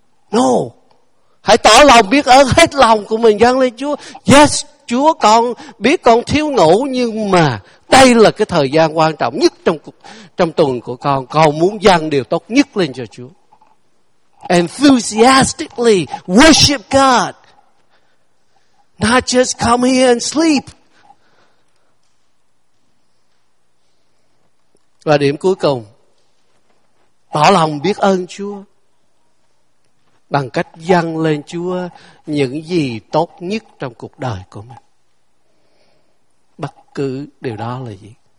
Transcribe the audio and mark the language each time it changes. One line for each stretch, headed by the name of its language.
English: No.
Vietnamese: Hãy tỏ lòng biết ơn hết lòng của mình dâng lên Chúa.
English: Yes,
Vietnamese: Chúa con biết con thiếu ngủ, nhưng mà đây là cái thời gian quan trọng nhất trong tuần của con. Con muốn dâng điều tốt nhất lên cho Chúa.
English: Enthusiastically worship God. Not just come here and sleep.
Vietnamese: Và điểm cuối cùng, tỏ lòng biết ơn Chúa bằng cách dâng lên Chúa những gì tốt nhất trong cuộc đời của mình. Bất cứ điều đó là gì?